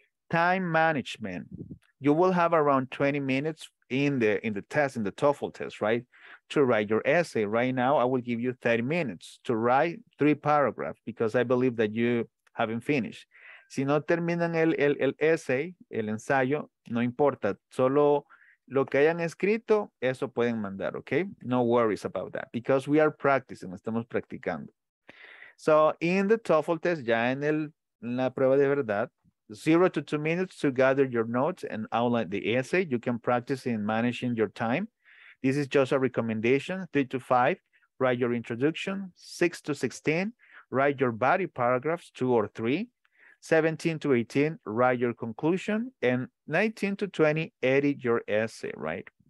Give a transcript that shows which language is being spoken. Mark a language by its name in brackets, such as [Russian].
[English] Time management. You will have around 20 minutes in the test, in the TOEFL test, right? To write your essay. Right now, I will give you 30 minutes to write three paragraphs because I believe that you haven't finished. [Spanish] Si no terminan el essay, el ensayo, no importa. Solo lo que hayan escrito, eso pueden mandar, okay? [English] No worries about that because we are practicing, [Spanish] estamos practicando. [English] So in the TOEFL test, [Spanish] ya en la prueba de verdad, [English] 0 to 2 minutes to gather your notes and outline the essay. You can practice in managing your time. This is just a recommendation, 3 to 5, write your introduction, 6 to 16, write your body paragraphs, 2 or 3, 17 to 18, write your conclusion, and 19 to 20, edit your essay, right?